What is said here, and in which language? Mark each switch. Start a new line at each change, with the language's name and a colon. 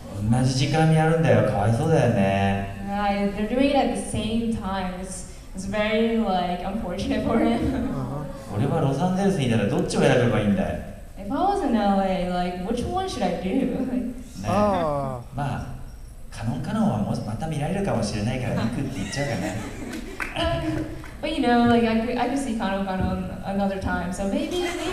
Japanese: 同じ時間にやるんだよ、かわいそうだよね。
English: Right, they're doing it at the same time. It's very like unfortunate for him.
Japanese: 俺はロサンゼルスにいたらどっちを選べばいいんだい。
English: If I was in LA, like which one should I do?
Japanese: ね、まあ、カノンカノンはもまた見られるかもしれないから行くって言っちゃうかな。
English: But you know, like I could see Kano Kano another time, so maybe.